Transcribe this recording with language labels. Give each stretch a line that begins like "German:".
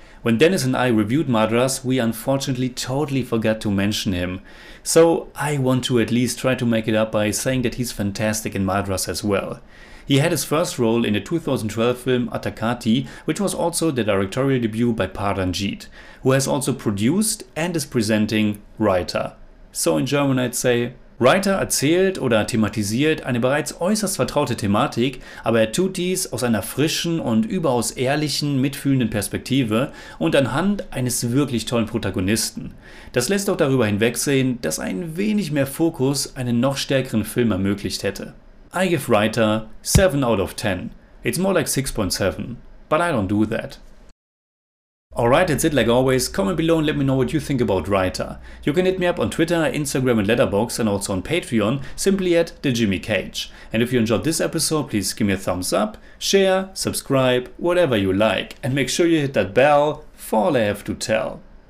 English: When Dennis and I reviewed Madras, we unfortunately totally forgot to mention him. So I want to at least try to make it up by saying that he's fantastic in Madras as well. He had his first role in the 2012 film Attakati, which was also the directorial debut by Paranjit, who has also produced and is presenting Writer. So in German I'd say,
German: Writer erzählt oder thematisiert eine bereits äußerst vertraute Thematik, aber er tut dies aus einer frischen und überaus ehrlichen, mitfühlenden Perspektive und anhand eines wirklich tollen Protagonisten. Das lässt auch darüber hinwegsehen, dass ein wenig mehr Fokus einen noch stärkeren Film ermöglicht hätte.
English: I give Writer 7 out of 10. It's more like 6.7, but I don't do that. Alright, that's it like always. Comment below and let me know what you think about Writer. You can hit me up on Twitter, Instagram and Letterboxd, and also on Patreon, simply at The Jimmy Cage. And if you enjoyed this episode, please give me a thumbs up, share, subscribe, whatever you like. And make sure you hit that bell for all I have to tell.